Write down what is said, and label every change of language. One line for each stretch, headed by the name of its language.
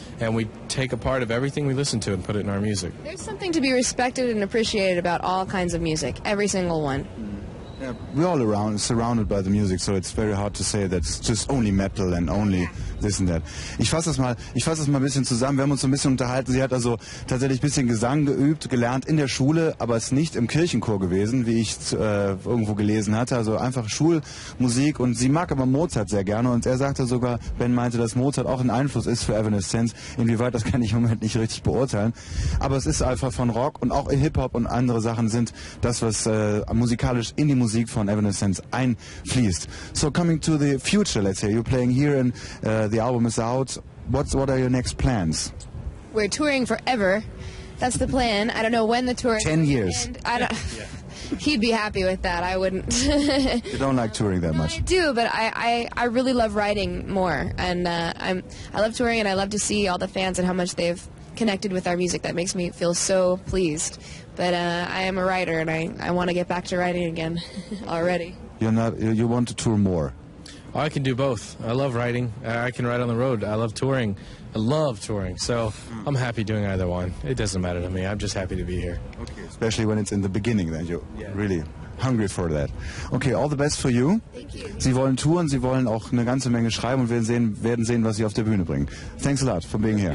English: And we take a part of everything we listen to and put it in our music. There's something to be respected and appreciated about all kinds of music. Every single one. Yeah, we're all around, surrounded by the music, so it's very hard to say that it's just only Metal and only this and that.
German: Ich fasse das mal ein bisschen zusammen. Wir haben uns ein bisschen unterhalten. Sie hat also tatsächlich ein bisschen Gesang geübt, gelernt in der Schule, aber ist nicht im Kirchenchor gewesen, wie ich irgendwo gelesen hatte. Also einfach Schulmusik und sie mag aber Mozart sehr gerne und er sagte sogar, Ben meinte, dass Mozart auch ein Einfluss ist für Evanescence. Inwieweit, das kann ich im Moment nicht richtig beurteilen. Aber es ist einfach von Rock und auch Hip-Hop und andere Sachen sind das, was musikalisch in die Musik von Evanescence einfließt.
English: So coming to the future, let's say you're playing here and the album is out. What are your next plans? We're touring forever. That's the plan. I don't know when the tour. 10 years. I don't, yeah. He'd be happy with that. I wouldn't. You don't like touring that much. No, I do, but I really love writing more, and I love touring, and I love to see all the fans and how much they've connected with our music. That makes me feel so pleased. But I am a writer, and I want to get back to writing again already. You want to tour more? Oh, I can do both. I love writing. I can write on the road. I love touring. I love touring. So I'm happy doing either one. It doesn't matter to me. I'm just happy to be here. Okay, especially when it's in the beginning, then you're really hungry for that. Okay, all the best for you. Thank you.
German: Sie wollen touren, Sie wollen auch eine ganze Menge schreiben und werden sehen, was Sie auf der Bühne bringen.
English: Thanks a lot for being here.